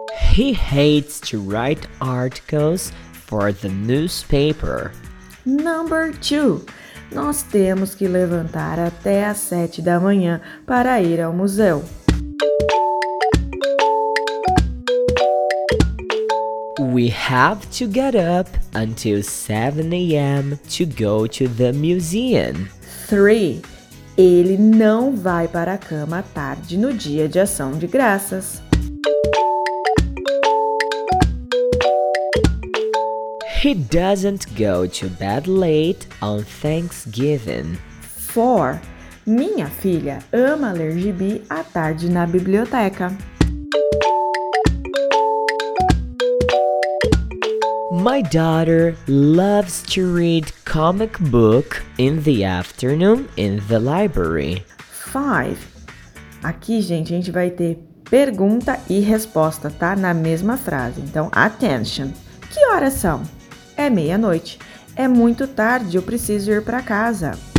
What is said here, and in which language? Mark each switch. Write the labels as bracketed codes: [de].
[en] He hates to write articles for the newspaper. Number 2. [pt] Nós temos que levantar até às 7 da manhã para ir ao museu. [en] We have to get up until 7 a.m. to go to the museum. 3. [pt] Ele não vai para a cama à tarde no dia de ação de graças. [en] He doesn't go to bed late on Thanksgiving. 4. [pt] Minha filha ama ler gibi à tarde na biblioteca. [en] My daughter loves to read comic book in the afternoon in the library. 5. [pt] Aqui, gente, a gente vai ter pergunta e resposta, tá? Na mesma frase. Então, attention. Que horas são? É meia-noite. É muito tarde, eu preciso ir para casa.